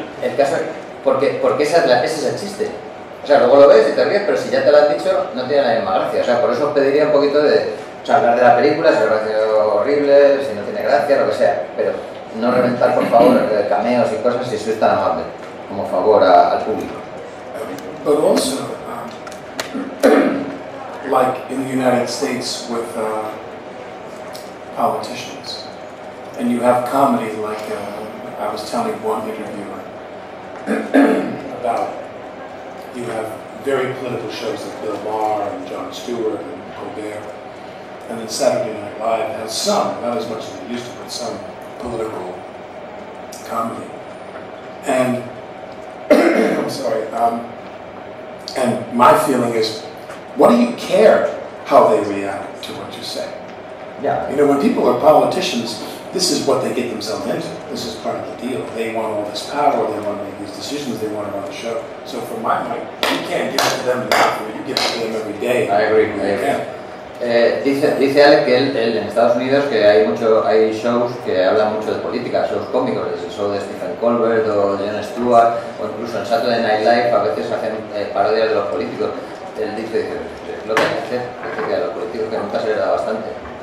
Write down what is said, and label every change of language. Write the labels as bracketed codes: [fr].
[es] El caso es, porque ese es el chiste. O sea, luego lo ves y te ríes, pero si ya te lo has dicho, no tiene la misma gracia. O sea, por eso os pediría un poquito de, o sea, hablar de la película, si os parece horrible, si no tiene gracia, lo que sea. Pero no reventar, por favor, cameos y cosas si sois tan amable, como favor al público. [en] Pero also, like in the United States with politicians, and you have comedy, like I was telling one interviewer about. You have very political shows like Bill Maher and Jon Stewart and Colbert, and then Saturday Night Live has some, not as much as it used to, but some political comedy. And I'm sorry. And my feeling is, what do you care how they react to what you say? Yeah. You know, when people are politicians, this is what they get themselves into. This is part of the deal. They want all this power, they want to make these decisions, they want to run the show. So from my point, you can't give it to them enough, you give it to them every day. I agree, I agree. [es] Dice Alec que él en Estados Unidos que hay shows que hablan mucho de política, shows cómicos, es el show de Stephen Colbert o Jon Stewart, o incluso en Saturday Night Live a veces hacen parodias de los políticos. Él dice lo que hay que hacer, dice que a los políticos que nunca se les da bastante.